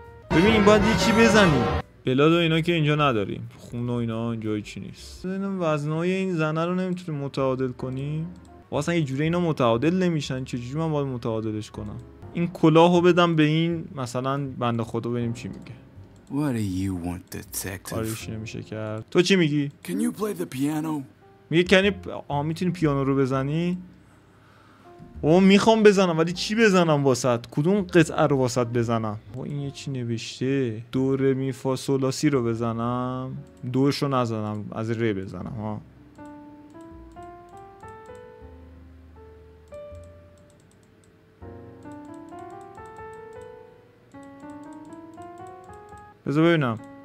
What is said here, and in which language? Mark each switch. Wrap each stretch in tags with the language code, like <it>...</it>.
<fa>ببینیم باید یه چی بزنیم. بلاد و اینا که اینجا نداریم، خون و اینا اینجایی چی نیست. ببینم وزنهای این زنه رو نمیتونیم متعادل کنیم. واسه یه جوره اینا متعادل نمیشن، چجوری من باید متعادلش کنم؟ این کلاهو بدم به این مثلا بنده خدا ببینیم چی میگه. کاریش نمیشه کرد. تو چی میگی؟</fa> <en>Can you play the piano?</en> <fa>میگه کنی میتونی پیانو رو بزنی؟ او میخوام بزنم ولی چی بزنم واسط؟ کدوم قطعه رو واسط بزنم؟ او این یه چی نوشته؟ دو ره می فا سولا سی رو بزنم؟ دوش رو نزنم، از ره بزنم. ها بذار ببینم.</fa>